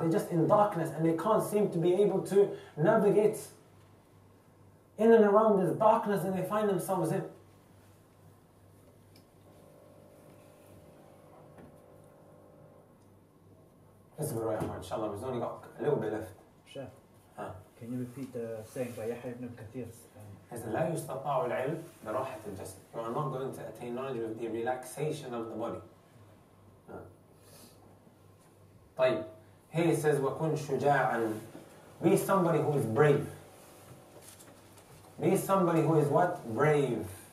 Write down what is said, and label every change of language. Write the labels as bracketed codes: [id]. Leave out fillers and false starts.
[en] They're just in darkness and they can't seem to be able to navigate in and around this darkness and they find themselves in. This is where I am, inshallah. We've only got a little bit left. Sure. Can you repeat the saying by Yahya ibn al-Kathir? [ar] لا يستطاع العلم براحة الجسد. [en] You are not going to attain knowledge with the relaxation of the body. [ar] طيب. [en] Here he says, [ar] وَكُنْ شُجَاعًا. [en] Be somebody who is brave. Be somebody who is what? Brave.